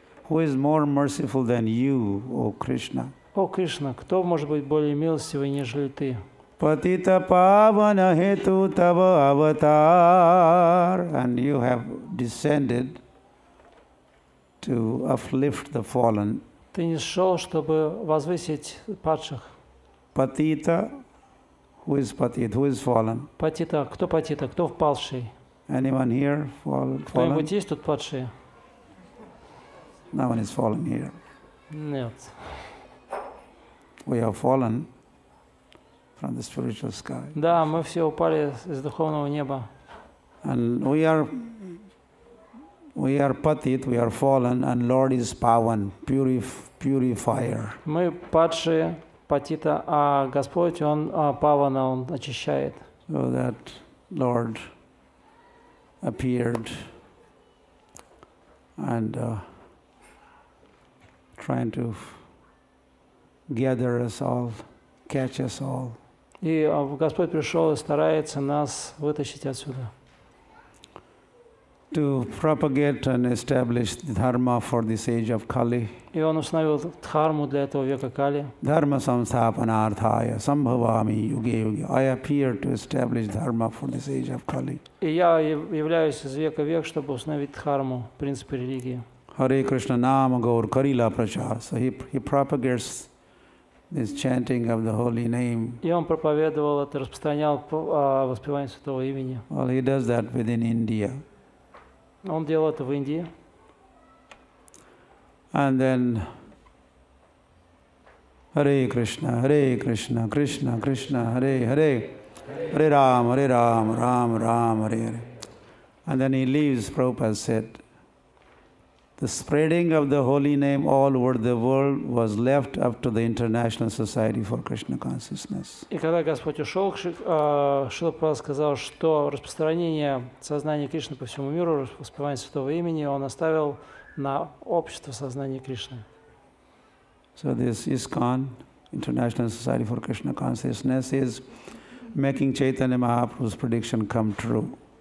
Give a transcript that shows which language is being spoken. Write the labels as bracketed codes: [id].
[en] Who is more merciful than you, O Krishna? [ru] O Krishna, кто может быть более милостивый, нежели ты? [bn] Patita pavana hetu tava avatar. [en] And you have descended to uplift the fallen. [ru] Ты не шел, чтобы возвысить падших. [en] Patita, Who is patit? Who is fallen? [ru] Patita, кто патита? Кто впавший? [en] Anyone here fallen? [ru] Кто-нибудь есть тут падшие? [en] No one is fallen here. [ru] Нет. [en] We have fallen from the spiritual sky. [ru] Да, мы все упали из духовного неба. [en] And we are patit, we are fallen, and Lord is pavan, purifier. [ru] Мы падшие. Патита, а Господь, Он павана, Он очищает. [en] So that Lord appeared and trying to gather us all, catch us all. [ru] И Господь пришел и старается нас вытащить отсюда. [en] To propagate and establish the dharma for this age of Kali. [ru] И он установил дхарму для этого века Кали. [sa] Dharma samsthapanarthaya sambhavami yuge yuge. [en] I appear to establish dharma for this age of Kali. [ru] И я являюсь из века в век, чтобы установить дхарму, принципы религии. [bn] Hare Krishna nama gaur karila prachar. [en] So he propagates this chanting of the holy name. [ru] И он проповедовал это, распространял воспевание святого имени. [en] Well, he does that within India. [ru] Он делал это в Индии. [sa] And then Hare Krishna, Krishna, Krishna, Hare Hare, Hare Ram, Hare Ram, Ram, Ram, Hare Hare. [en] And then he leaves, Prabhupada said, the spreading of the holy name all over the world was left up to the International Society for Krishna Consciousness. [ru] И когда Господь ушел, Шрила Прабхупада сказал, что распространение сознания Кришны по всему миру, воспевание святого имени, он оставил на общество сознания Кришны. [en] So this ISKCON, International Society for Krishna Consciousness, is making Chaitanya Mahaprabhu's prediction come true.